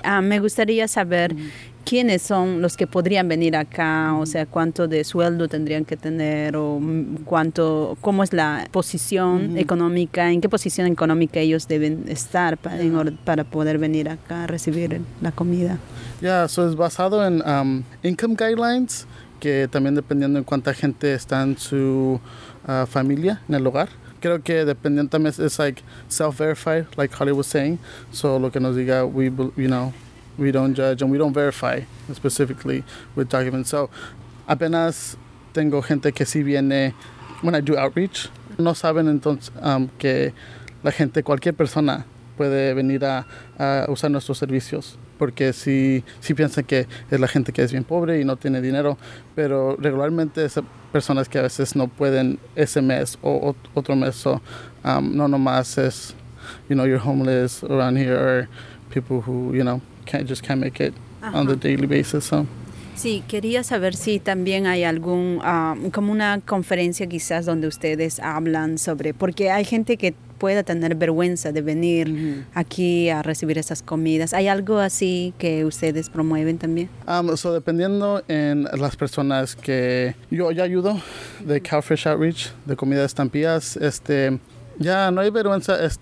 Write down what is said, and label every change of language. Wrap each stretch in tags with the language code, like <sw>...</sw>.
<es>Me gustaría saber quiénes son los que podrían venir acá, o sea, cuánto de sueldo tendrían que tener, o cómo es la posición económica, en qué posición económica ellos deben estar para poder venir acá a recibir la comida. Ya, eso es basado en income guidelines, que también dependiendo en cuánta gente está en su familia, en el hogar. creo que dependiendo también es</es> <en>like self-verified, like Holly was saying. So</en> <es>lo que nos diga,</es> <en>we, you know, we don't judge and we don't verify specifically with documents.</en> <es>So apenas tengo gente que si viene,</es> <en>when I do outreach,</en> <es>no saben entonces que la gente, cualquier persona puede venir a usar nuestros servicios. Porque si piensan que es la gente que es bien pobre y no tiene dinero, pero regularmente son personas que a veces no pueden ese mes o otro mes.</es> <en>So,</en> <es>no nomás es,</es> <en>you know, you're homeless around here, or people who, you know, can't make it on the daily basis. So.</en> <es>Sí, quería saber si también hay algún, como una conferencia quizás donde ustedes hablan sobre, porque hay gente que pueda tener vergüenza de venir aquí a recibir esas comidas. ¿Hay algo así que ustedes promueven también? So dependiendo en las personas que yo ayudo, de Cowfish Outreach, de Comida de Estampillas, no hay vergüenza.</es>